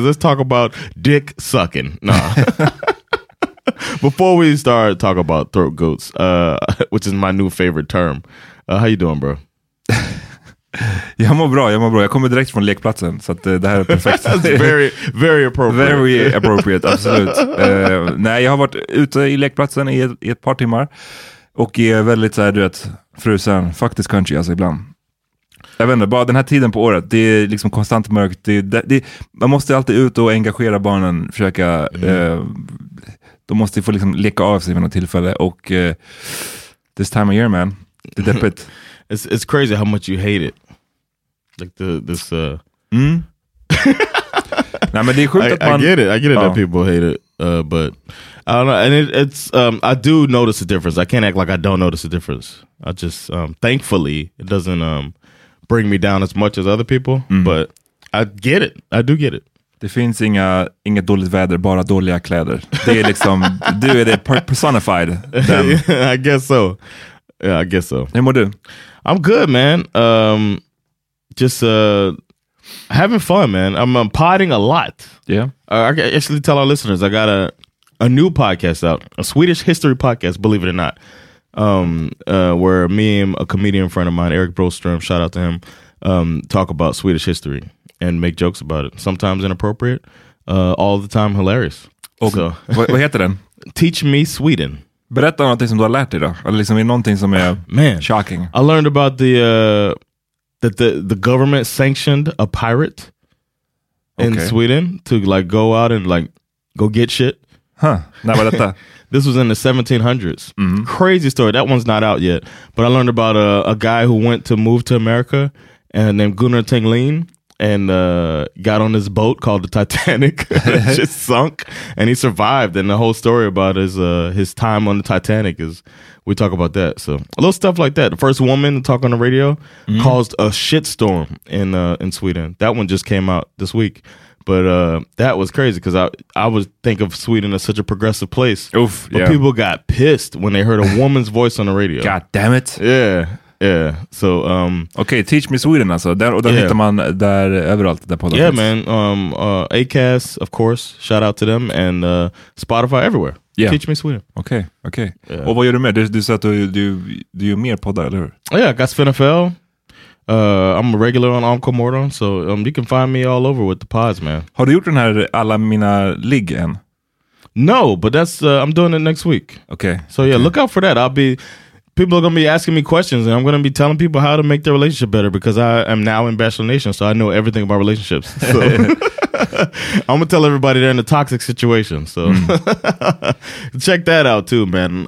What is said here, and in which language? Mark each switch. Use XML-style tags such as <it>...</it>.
<en>Let's talk about dick sucking. Nah. Before we start, talk about throat goats, which is my new favorite term. How you doing, bro?</en> <sv>Jag mår bra. Jag kommer direkt från lekplatsen, så att det här är perfekt.</sv> <en>Very, very appropriate. Very appropriate, absolut.</en> <sv>Nej, jag har varit ute i lekplatsen i ett par timmar. Och är väldigt såhär, du vet, frusen. Faktiskt country, alltså ibland. Jag vet inte, bara den här tiden på året, det är liksom konstant mörkt. Man måste alltid ut och engagera barnen, försöka. De måste få liksom leka av sig vid något tillfälle.</sv> <en>Och this time of year, man.</en> <sv>Det är deppigt.</sv> <en>It's crazy how much you hate it. Like this</en> <sv>Nej, men det är sjukt att man...</sv> <en>I get it that people hate it, but I don't know, and it's I do notice a difference. I can't act like I don't notice a difference. I just thankfully it doesn't bring me down as much as other people, but I get it. I do get it.</en> <sv>Det finns inga dåligt väder, bara dåliga kläder. Det är liksom du är det personified.</sv> <en>I guess so. Yeah, I guess so.</en> <sv>Hur mår du?</sv> <en>I'm good, man. Having fun, man. I'm podding a lot. Yeah. I can actually tell our listeners, I got a new podcast out, a Swedish history podcast, believe it or not, where me and a comedian friend of mine, Eric Broström, shout out to him, talk about Swedish history and make jokes about it. Sometimes inappropriate, all the time hilarious.</en> <sv>Okay. So, vad heter den?</sv> <en>Teach Me Sweden.</en> <sv>Berätta någonting som du har lärt dig då. Eller liksom är någonting som är shocking.</sv> <en>I learned about the that the government sanctioned a pirate in Sweden to like go out and like go get shit.</en> <sv>Nej, vad detta?</sv> <en>This was in the 1700s. Mm-hmm. Crazy story. That one's not out yet. But I learned about a guy who went to move to America and named Gunnar Tinglin. And got on this boat called the Titanic, just sunk, and he survived. And the whole story about his time on the Titanic is, we talk about that. So a little stuff like that. The first woman to talk on the radio caused a shitstorm in Sweden. That one just came out this week. But that was crazy because I would think of Sweden as such a progressive place. Oof, but yeah. People got pissed when they heard a woman's voice on the radio. God damn it. Yeah. Yeah. So</en> <sv>okay, Teach Me Sweden alltså. Där hittar man där överallt där podden.</sv> <en>Yeah, man. Acast, of course. Shout out to them and Spotify everywhere. Yeah. Teach Me Sweden.</en> <sv>Okay. Okay. Yeah. Och vad gör du mer? Du sa att du gör mer poddar eller hur?</sv> <en>Oh, yeah, Gus Finnefell. I'm a regular on Uncle Morton, so you can find me all over with the pods, man.</en> <sv>Har du gjort den här alla mina ligg än?</sv> <en>No, but that's I'm doing it next week. Okay. So yeah, okay. Look out for that. People are going to be asking me questions, and I'm going to be telling people how to make their relationship better because I am now in Bachelor Nation, so I know everything about relationships. So I'm going to tell everybody they're in a toxic situation. So check that out too, man.</en>